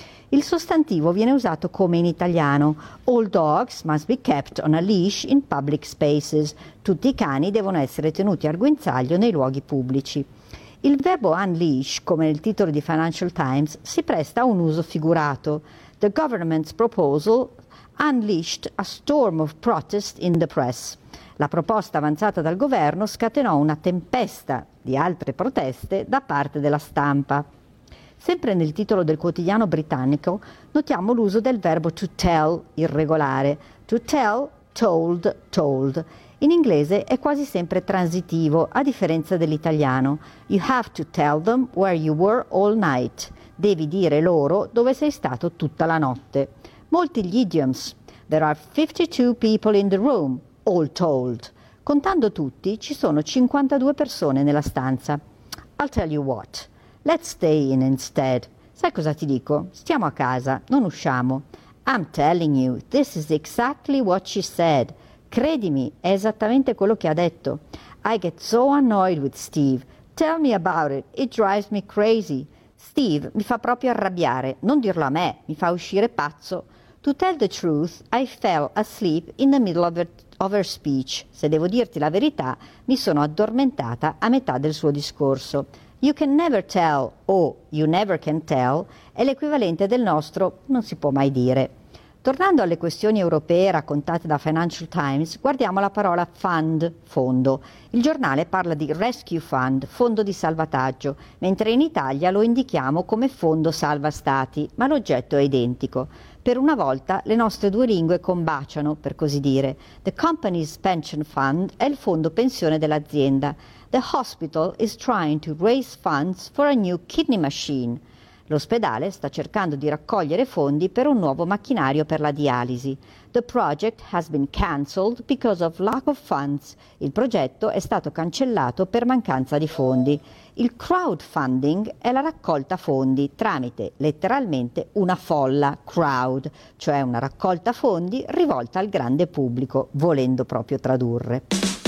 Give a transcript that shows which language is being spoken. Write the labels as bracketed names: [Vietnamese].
[Italian] Il sostantivo viene usato come in italiano: [English] all dogs must be kept on a leash in public spaces. [Italian] Tutti i cani devono essere tenuti al guinzaglio nei luoghi pubblici. Il verbo unleash, come nel titolo di Financial Times, si presta a un uso figurato. [English] The government's proposal unleashed a storm of protest in the press. [Italian] La proposta avanzata dal governo scatenò una tempesta di altre proteste da parte della stampa. Sempre nel titolo del quotidiano britannico notiamo l'uso del verbo to tell, irregolare. [English] To tell, told, told. [Italian] In inglese è quasi sempre transitivo, a differenza dell'italiano. [English] You have to tell them where you were all night. [Italian] Devi dire loro dove sei stato tutta la notte. Molti gli idioms. [English] There are 52 people in the room, all told. [Italian] Contando tutti, ci sono 52 persone nella stanza. [English] I'll tell you what. Let's stay in instead. [Italian] Sai cosa ti dico? Stiamo a casa, non usciamo. [English] I'm telling you, this is exactly what she said. [Italian] Credimi, è esattamente quello che ha detto. [English] I get so annoyed with Steve. Tell me about it. It drives me crazy. [Italian] Steve mi fa proprio arrabbiare. Non dirlo a me, mi fa uscire pazzo. [English] To tell the truth, I fell asleep in the middle of her speech. [Italian] Se devo dirti la verità, mi sono addormentata a metà del suo discorso. [English] You can never tell [Italian] o [English] you never can tell [Italian] è l'equivalente del nostro non si può mai dire. Tornando alle questioni europee raccontate da Financial Times, guardiamo la parola fund, fondo. Il giornale parla di rescue fund, fondo di salvataggio, mentre in Italia lo indichiamo come fondo salva stati, ma l'oggetto è identico. Per una volta le nostre due lingue combaciano, per così dire. [English] The company's pension fund [Italian] è il fondo pensione dell'azienda. [English] The hospital is trying to raise funds for a new kidney machine. [Italian] L'ospedale sta cercando di raccogliere fondi per un nuovo macchinario per la dialisi. [English] The project has been cancelled because of lack of funds. [Italian] Il progetto è stato cancellato per mancanza di fondi. Il crowdfunding è la raccolta fondi tramite, letteralmente, una folla, crowd, cioè una raccolta fondi rivolta al grande pubblico, volendo proprio tradurre.